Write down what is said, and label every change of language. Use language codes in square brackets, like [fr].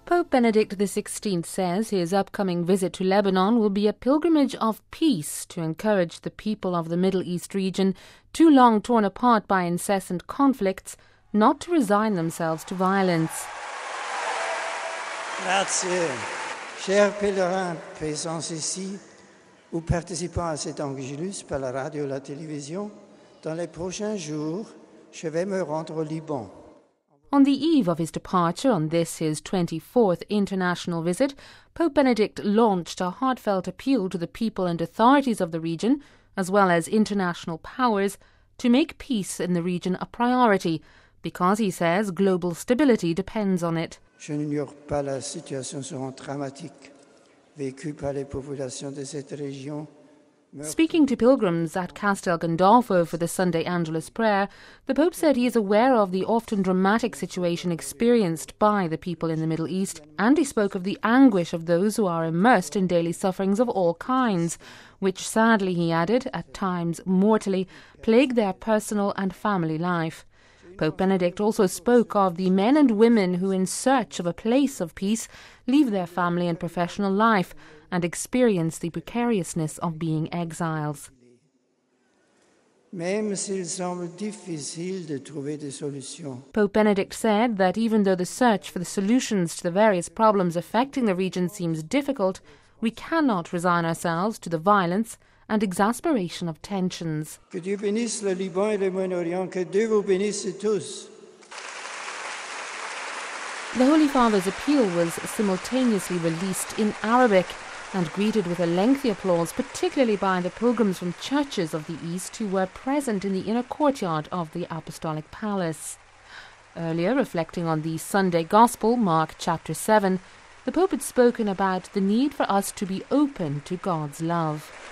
[en] Benedict XVI says his upcoming visit to Lebanon will be a pilgrimage of peace to encourage the people of the Middle East region, too long torn apart by incessant conflicts, not to resign themselves to violence. [it] Grazie. [fr] Chers pèlerins présents ici ou participant à cet angelus par la radio ou la télévision, dans les prochains jours, je vais me rendre au Liban. [en] On the eve of his departure, on this his 24th international visit, Pope Benedict launched a heartfelt appeal to the people and authorities of the region, as well as international powers, to make peace in the region a priority, because, he says, global stability depends on it. [fr] Je n'ignore pas la situation souvent dramatique vécue par les populations de cette région. [en] Speaking to pilgrims at Castel Gandolfo for the Sunday Angelus prayer, the Pope said he is aware of the often dramatic situation experienced by the people in the Middle East, and he spoke of the anguish of those who are immersed in daily sufferings of all kinds, which sadly, he added, at times mortally, plague their personal and family life. Pope Benedict also spoke of the men and women who, in search of a place of peace, leave their family and professional life and experience the precariousness of being exiles. [fr] Même s'il semble difficile de trouver des solutions. [en] Pope Benedict said that even though the search for the solutions to the various problems affecting the region seems difficult, we cannot resign ourselves to the violence and exasperation of tensions. [fr] Que Dieu bénisse le Liban et le Moyen-Orient, que Dieu vous bénisse tous. [en] The Holy Father's appeal was simultaneously released in Arabic and greeted with a lengthy applause, particularly by the pilgrims from churches of the East who were present in the inner courtyard of the Apostolic Palace. Earlier, reflecting on the Sunday Gospel, Mark chapter 7, the Pope had spoken about the need for us to be open to God's love.